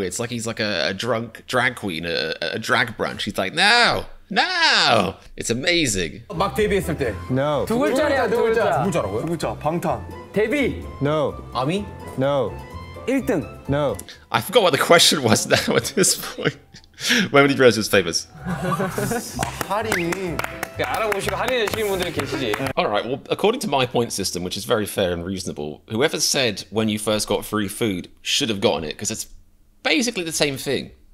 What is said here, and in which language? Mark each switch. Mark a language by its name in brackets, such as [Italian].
[English] It's like he's like a drunk drag queen, a drag brunch. He's like, no! No! It's amazing. Mark Davy is no. [Korean] 두 글자야, 두 글자. 두 글자라고요? 두 글자. 방탄. [English] Davy. No. Ami. No. [Korean] 1등. [English] No. I forgot what the question was now at this point. When did he realize his famous? [Korean] 할인. 알아보시고 할인해주시는 분들이 계시지. [English] All right, well, according to my point system, which is very fair and reasonable, whoever said when you first got free food should have gotten it, because it's basically the same thing.